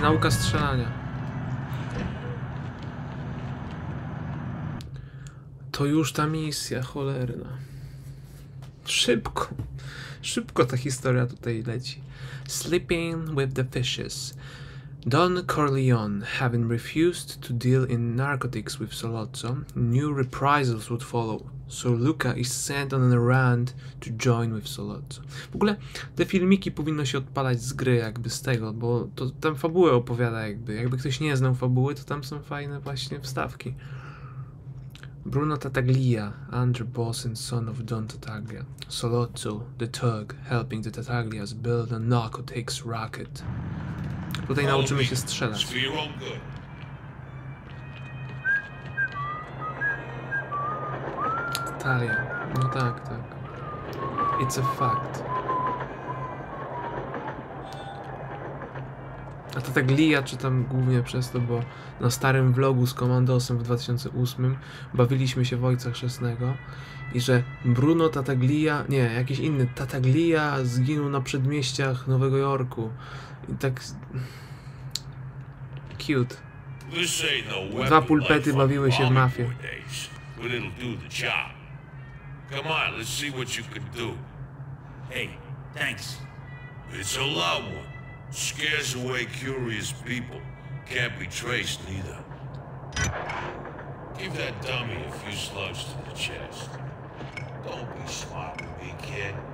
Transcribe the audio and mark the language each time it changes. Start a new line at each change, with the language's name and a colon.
Polish: Strzelania. To już ta misja cholerna. Szybko. Szybko ta historia tutaj leci.
English: Sleeping with the fishes. Don Corleone, having refused to deal in narcotics with Solozzo, new reprisals would follow. So Luca is sent on an errand to join with Solozzo.
Polish: W ogóle te filmiki powinno się odpalać z gry jakby z tego, bo to tam fabułę opowiada jakby. Jakby ktoś nie znał fabuły, to tam są fajne właśnie wstawki.
English: Bruno Tattaglia, underboss and son of Don Tattaglia. Solozzo, the thug, helping the Tattaglias build a narcotics racket.
Polish: Tutaj nauczymy się strzelać. Talia. No tak, tak.
English: It's a fact.
Polish: A to tak Lia czytam głównie przez to, bo na starym vlogu z Komandosem w 2008 bawiliśmy się w Ojca Chrzestnego. I że Bruno Tattaglia, nie, jakiś inny, Tattaglia zginął na przedmieściach Nowego Jorku. I tak...
English: Cute. This ain't no weapon.
Polish: Dwa pulpety bawiły się w mafię.
English: But it'll do the job. Come on, let's see what you can do. Hey, thanks. It's a loud one. Scares away curious people. Can't be traced neither. Give that dummy a few slugs to the chest. Don't be smart with me, kid.